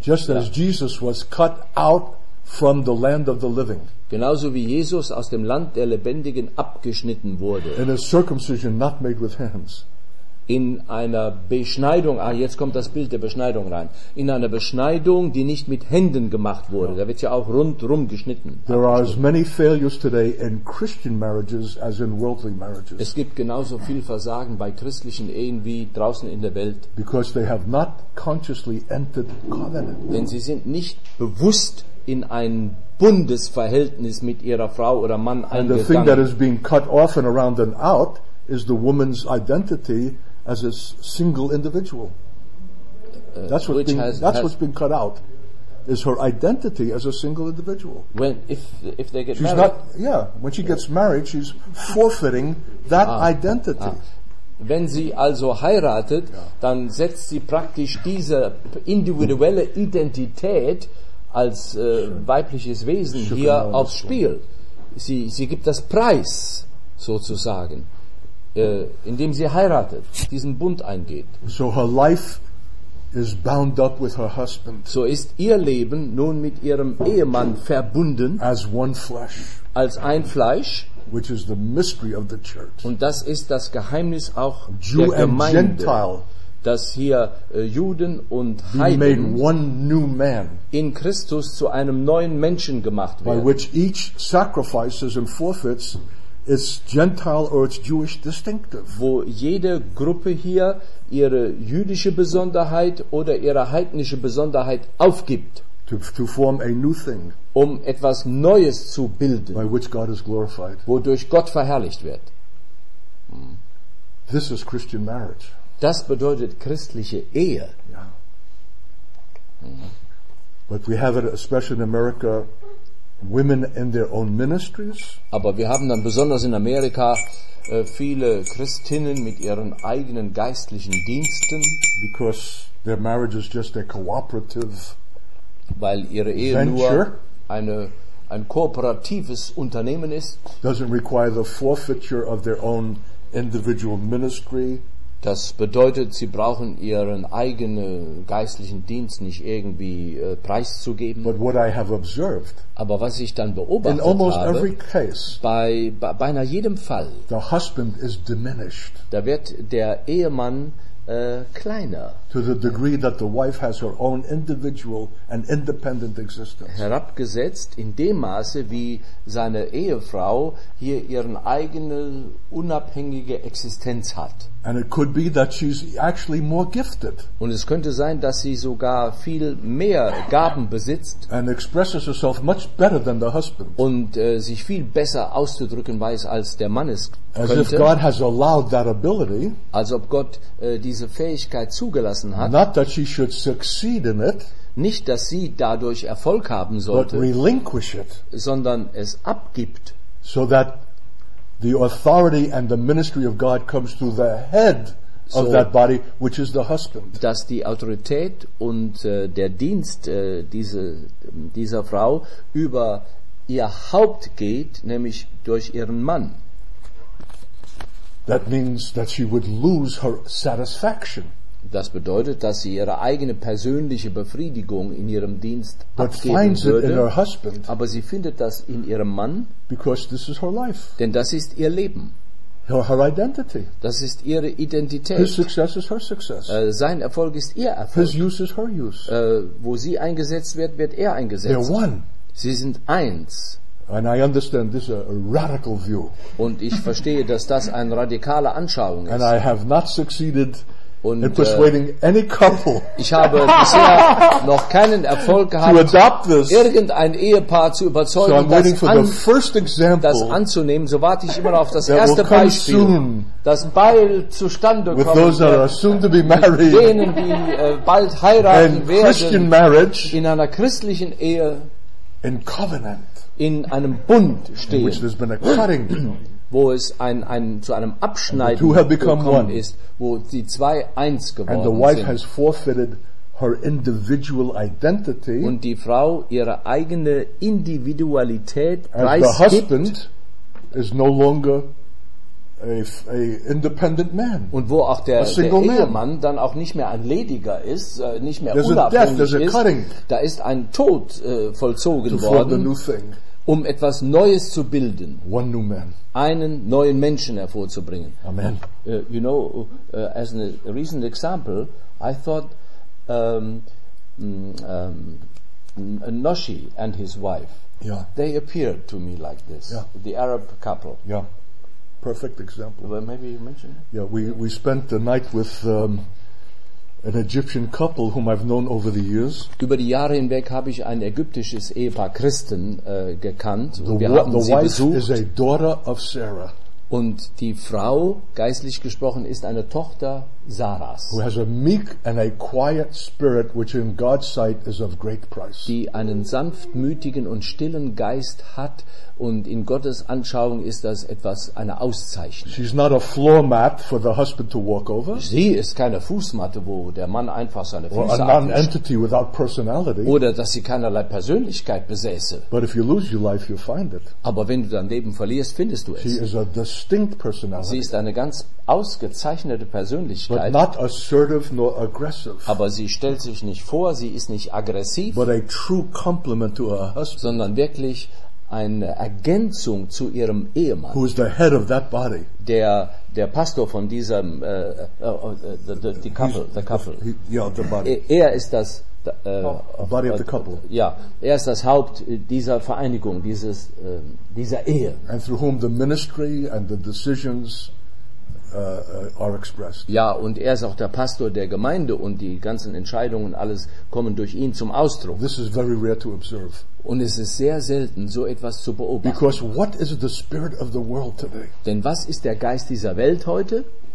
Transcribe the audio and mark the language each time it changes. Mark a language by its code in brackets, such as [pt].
[en] Just as Jesus was cut out from the land of the living. [de] Genauso wie Jesus aus dem Land der Lebendigen abgeschnitten wurde. [en] In a circumcision not made with hands. [de] In einer Beschneidung, jetzt kommt das Bild der Beschneidung rein. In einer Beschneidung, die nicht mit Händen gemacht wurde. Da wird ja auch rundherum geschnitten. [en] There are as many failures today in Christian marriages as in worldly marriages. [de] Es gibt genauso viel Versagen bei christlichen Ehen wie draußen in der Welt. [en] Because they have not consciously entered covenant. [de] Denn sie sind nicht bewusst in ein Bundesverhältnis mit ihrer Frau oder Mann eingegangen. [en] And the thing that is being cut off and around and out is the woman's identity as a single individual. What's been cut out is her identity as a single individual. If they get she's married. When she gets married, she's forfeiting that identity. [de] Wenn sie also heiratet, dann setzt sie praktisch diese individuelle Identität als weibliches Wesen hier aufs Spiel. Sie gibt das Preis, sozusagen. Indem sie heiratet, diesen Bund eingeht. [en] So her life is bound up with her husband. [de] So ist ihr Leben nun mit ihrem Ehemann verbunden. [en] As one flesh. [de] Als ein Fleisch. [en] Which is the mystery of the church. [de] Und das ist das Geheimnis auch [en] Jew [de] der Gemeinde. [en] And Gentile, [de] dass hier Juden und Heiden [en] made one new man, [de] in Christus zu einem neuen Menschen gemacht werden. [en] By which each sacrifices and forfeits it's Gentile or it's Jewish distinctive. [de] Wo jede Gruppe hier ihre jüdische Besonderheit oder ihre heidnische Besonderheit aufgibt. [en] To form a new thing. [de] Um etwas Neues zu bilden. [en] By which God is glorified. [de] Wodurch Gott verherrlicht wird. [en] This is Christian marriage. [de] Das bedeutet christliche Ehe. [en] Yeah. But we have it especially in America. Women in their own ministries. [de] Aber wir haben dann besonders in Amerika viele Christinnen mit ihren eigenen geistlichen Diensten. [en] Because their marriage is just a cooperative venture. [de] Weil ihre Ehe nur ein kooperatives Unternehmen ist. [en] Doesn't require the forfeiture of their own individual ministry. [de] Das bedeutet, sie brauchen ihren eigenen geistlichen Dienst nicht irgendwie preiszugeben. [en] But what I have observed, [de] aber was ich dann beobachtet [en] in almost [de] habe, [en] every case, [de] bei beinahe jedem Fall, [en] the husband is diminished, [de] da wird der Ehemann kleiner. [en] To the degree that the wife has her own individual and independent existence. [de] Herabgesetzt in dem Maße, wie seine Ehefrau hier ihren eigene unabhängige Existenz hat. [en] And it could be that she's actually more gifted. [de] Und es könnte sein, dass sie sogar viel mehr Gaben besitzt. [en] And expresses herself much better than the husband. [de] Und sich viel besser auszudrücken weiß als der Mann es könnte. [en] As if God has allowed that ability. [de] Als ob Gott diese Fähigkeit zugelassen hat. [en] Not that she should succeed in it. [de] Nicht, dass sie dadurch Erfolg haben sollte. [en] But relinquish it. [de] Sondern es abgibt. [en] So that the authority and the ministry of God comes through the head of that body, which is the husband. [de] Dass die Autorität und der Dienst dieser Frau über ihr Haupt geht, nämlich durch ihren Mann. [en] That means that she would lose her satisfaction. [de] Das bedeutet, dass sie ihre eigene persönliche Befriedigung in ihrem Dienst [en] but [de] abgeben [en] finds [de] würde, [en] it in her husband, [de] aber sie findet das in ihrem Mann, [en] because this is her life. [de] Denn das ist ihr Leben. [en] her identity. [de] Das ist ihre Identität. [en] His success is her success. [de] Sein Erfolg ist ihr Erfolg. [en] His use is her use. [de] Wo sie eingesetzt wird, wird er eingesetzt. [en] They're one. [de] Sie sind eins. [en] And I understand this is a radical view. [de] Und ich verstehe, dass das eine radikale Anschauung ist. [en] And I have not succeeded in persuading any couple. [de] Ich habe bisher noch keinen Erfolg gehabt, irgendein Ehepaar zu überzeugen, das anzunehmen. So warte ich immer auf das erste Beispiel, das bald zustande kommt. [en] With those that are soon to be married, [de] mit denen, die bald heiraten werden, [en] Christian marriage, [de] in einer christlichen Ehe, [en] in covenant. [de] In einem Bund stehen, [en] which been a cutting, [de] wo es zu einem Abschneiden gekommen [en] one. [de] Ist, wo die zwei eins geworden [en] and the wife [de] sind. [en] Has forfeited her individual identity, [de] und die Frau ihre eigene Individualität preisgibt, und wo auch der Ehemann dann auch nicht mehr ein Lediger ist, nicht mehr unabhängig ist, da ist ein Tod vollzogen worden, um etwas Neues zu bilden. [en] One new man. [de] Einen neuen Menschen hervorzubringen. [en] Amen. You know, as a recent example, I thought Noshi and his wife, yeah. They appeared to me like this. Yeah. The Arab couple. Yeah. Perfect example. Well, maybe you mentioned it. Yeah, we spent the night with an Egyptian couple whom I've known over the years. [de] Über die Jahre hinweg habe ich ein ägyptisches Ehepaar Christen gekannt. [en] The wife is a daughter of Sarah. [de] Und die Frau, geistlich gesprochen, ist eine Tochter Sarahs. [en] Who has a meek and a quiet spirit, which in God's sight is of great price. [de] Die einen sanftmütigen und stillen Geist hat, und in Gottes Anschauung ist das etwas, eine Auszeichnung. [en] She's not a floor mat for the husband to walk over. [de] Sie ist keine Fußmatte, wo der Mann einfach seine Füße abwischt. [en] Or a non-entity without personality. [de] Oder dass sie keinerlei Persönlichkeit besäße. [en] But if you lose your life, you find it. [de] Aber wenn du dein Leben verlierst, findest du es. [en] She is a distinct personality. [de] Sie ist eine ganz ausgezeichnete Persönlichkeit. [en] But not assertive nor aggressive. [de] Aber sie stellt sich nicht vor, sie ist nicht aggressiv. [en] But a true compliment to her husband. [de] Sondern wirklich eine Ergänzung zu ihrem Ehemann. [en] Who is the head of that body? [de] Der Pastor von diesem [en] the couple. [de] Er ist das [en] body of the couple. [de] Ja, er ist das Haupt dieser Vereinigung, dieser Ehe. [en] And through whom the ministry and the decisions are expressed. [de] Ja, und er ist auch der Pastor der Gemeinde, und die ganzen Entscheidungen alles kommen durch ihn zum Ausdruck. [en] This is very rare to observe. [de] Und es ist sehr selten, so etwas zu beobachten. [en] Because what is the spirit of the world today? [de] Denn was ist der Geist dieser Welt heute?